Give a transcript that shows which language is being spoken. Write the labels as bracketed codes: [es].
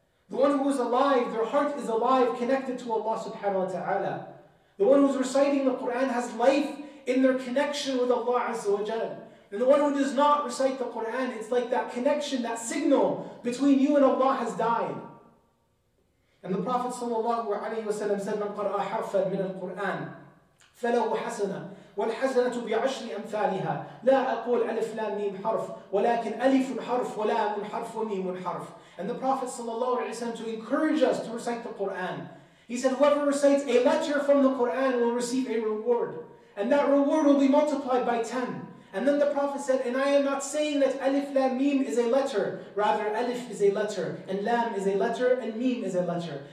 [en] The one who is alive, their heart is alive, connected to Allah subhanahu wa ta'ala. The one who is reciting the Qur'an has life in their connection with Allah azza wa jal. And the one who does not recite the Qur'an, it's like that connection, that signal between you and Allah has died. [ar] And the Prophet sallallahu alayhi wa sallam said, مَنْ قَرْأَ حَرْفًا مِنَ الْقُرْآنِ فَلَهُ حَسَنًا والحسنة بعشر أمثالها لا أقول ألف لام ميم حرف ولكن ألف حرف ولام حرف وميم حرف. [en] And the Prophet sallallahu alaihi wasallam, to encourage us to recite the Quran, he said, whoever recites a letter from the Quran will receive a reward, and that reward will be multiplied by 10. And then the Prophet said, and I am not saying that ألف لام ميم is a letter, rather ألف is a letter and لام is a letter and ميم is a letter.